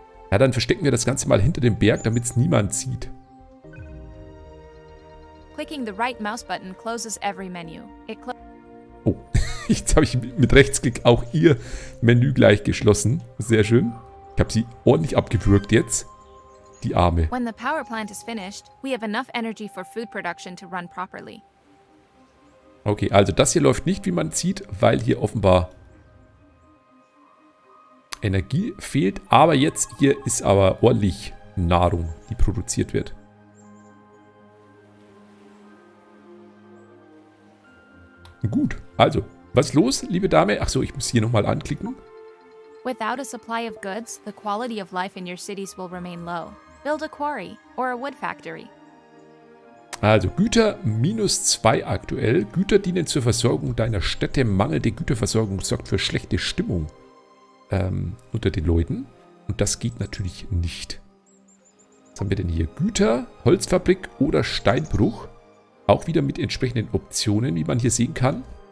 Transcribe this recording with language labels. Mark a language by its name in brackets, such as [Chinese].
[German] Ja, dann verstecken wir das Ganze mal hinter dem Berg, damit es niemand sieht. [English] Clicking the right mouse button closes every menu. [German] Oh, jetzt habe ich mit Rechtsklick auch ihr Menü gleich geschlossen. Sehr schön. Ich habe sie ordentlich abgewürgt jetzt. Die Arme. [English] When the power plant is finished, we have enough energy for food production to run properly. [German] Okay, also das hier läuft nicht, wie man sieht, weil hier offenbar Energie fehlt, aber jetzt hier ist aber ordentlich Nahrung, die produziert wird. Gut, also, was ist los, liebe Dame? Achso, ich muss hier nochmal anklicken. [English] Without a supply of goods, the quality of life in your cities will remain low. Build a quarry or a wood factory. [German] Also, Güter minus 2 aktuell. Güter dienen zur Versorgung deiner Städte. Mangelnde Güterversorgung sorgt für schlechte Stimmung unter den Leuten. Und das geht natürlich nicht. Was haben wir denn hier? Güter, Holzfabrik oder Steinbruch? Auch wieder mit entsprechenden Optionen, wie man hier sehen kann.